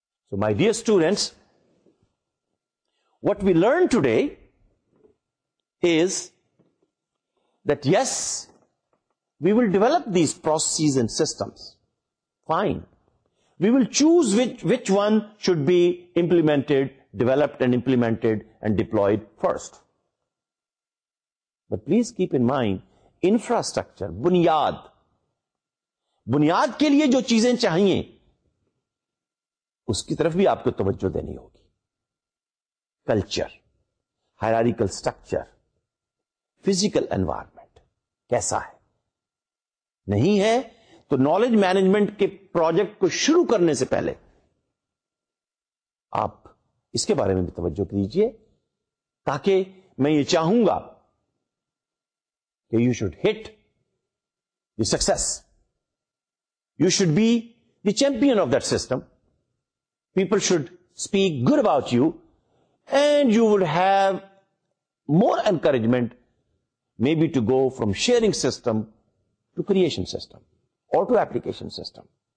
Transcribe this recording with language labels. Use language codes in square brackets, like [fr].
[en] So my dear students, what we learned today is that yes, we will develop these processes and systems, fine. We will choose which one should be implemented, developed and implemented and deployed first. But please keep in mind, infrastructure, [ur] بنیاد, بنیاد کے لیے جو چیزیں چاہیے اس کی طرف بھی آپ کو توجہ دینی ہوگی. Culture, hierarchical structure, physical environment کیسا ہے, نہیں ہے تو نالج مینجمنٹ کے پروجیکٹ کو شروع کرنے سے پہلے آپ اس کے بارے میں بھی توجہ دیجیے, تاکہ میں یہ چاہوں گا [en] you should hit the success. You should be the champion of that system. People should speak good about you, and you would have more encouragement maybe to go from sharing system to creation system or to application system.